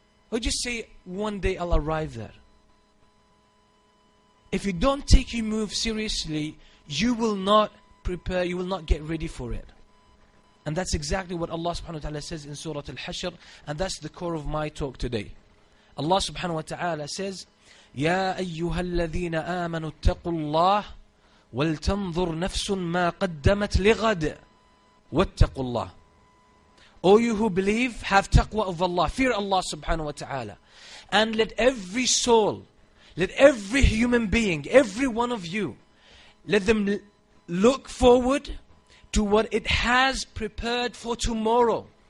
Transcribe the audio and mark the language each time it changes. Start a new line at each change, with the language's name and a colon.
English: Or just say, one day I'll arrive there. If you don't take your move seriously, you will not prepare, you will not get ready for it. And that's exactly what Allah subhanahu wa ta'ala says in Surah Al-Hashr. And that's the core of my talk today. Allah subhanahu wa ta'ala says,
Arabic: يَا أَيُّهَا الَّذِينَ آمَنُوا اتَّقُوا اللَّهِ وَلْتَنْظُرْ نَفْسٌ مَا قَدَّمَتْ لِغَدٍ وَاتَّقُوا اللَّهِ.
English: All you who believe, have taqwa of Allah. Fear Allah subhanahu wa ta'ala. And let every soul, let every human being, every one of you, let them look forward to what it has prepared for tomorrow.